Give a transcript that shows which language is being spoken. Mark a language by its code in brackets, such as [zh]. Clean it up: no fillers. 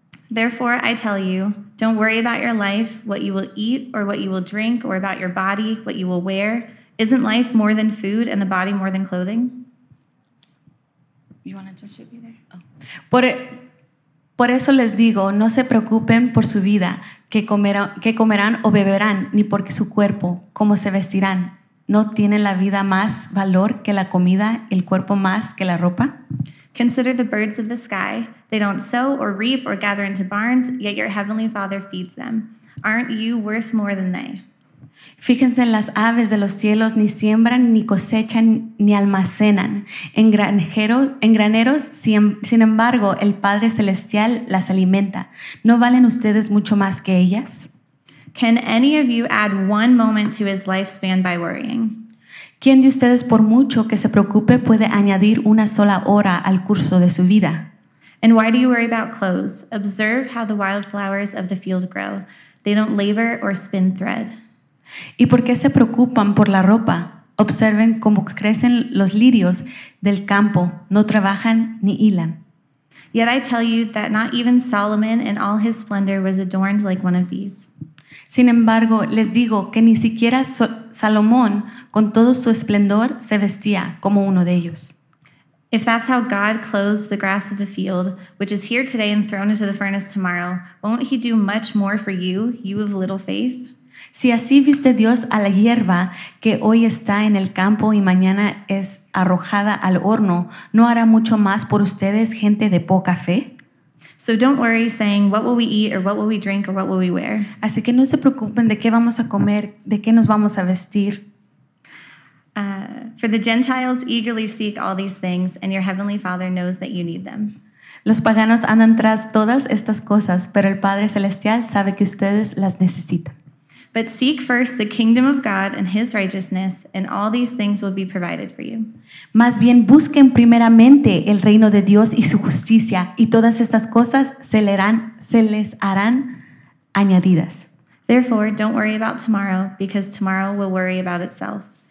[en] Therefore, I tell you, don't worry about your life, what you will eat or what you will drink, or about your body, what you will wear. Isn't life more than food and the body more than clothing? You want to just shoot me there? Oh. [es] Por eso les digo, no se preocupen por su vida. ¿Qué comerán o beberán? Ni por su cuerpo, ¿cómo se vestirán? ¿No tienen la vida más valor que la comida, el cuerpo más que la ropa? [en] Consider the birds of the sky. They don't sow or reap or gather into barns, yet your heavenly Father feeds them. Aren't you worth more than they? [es] Fíjense en las aves de los cielos, ni siembran, ni cosechan, ni almacenan. En graneros, sin embargo, el Padre Celestial las alimenta. ¿No valen ustedes mucho más que ellas? [en] Can any of you add one moment to his lifespan by worrying? [es] ¿Quién de ustedes, por mucho que se preocupe, puede añadir una sola hora al curso de su vida? [en] And why do you worry about clothes? Observe how the wildflowers of the field grow. They don't labor or spin thread. [es] ¿Y por qué se preocupan por la ropa? Observen cómo crecen los lirios del campo. No trabajan ni hilan. [en] Yet I tell you that not even Solomon in all his splendor was adorned like one of these. [es] Sin embargo, les digo que ni siquiera Salomón con todo su esplendor se vestía como uno de ellos. [en] If that's how God clothes the grass of the field, which is here today and thrown into the furnace tomorrow, won't he do much more for you, you of little faith? [es] Si así viste Dios a la hierba que hoy está en el campo y mañana es arrojada al horno, ¿no hará mucho más por ustedes, gente de poca fe? [en] So don't worry saying, what will we eat or what will we drink or what will we wear? [es] Así que no se preocupen de qué vamos a comer, de qué nos vamos a vestir. [en] For the Gentiles eagerly seek all these things, and your heavenly Father knows that you need them. [es] Los paganos andan tras todas estas cosas, pero el Padre Celestial sabe que ustedes las necesitan. [en] But seek first the kingdom of God and his righteousness, and all these things will be provided for you. [es] Más bien busquen primeramente el reino de Dios y su justicia, y todas estas cosas se les harán añadidas. [en] Therefore, don't worry about tomorrow, because tomorrow will worry about itself.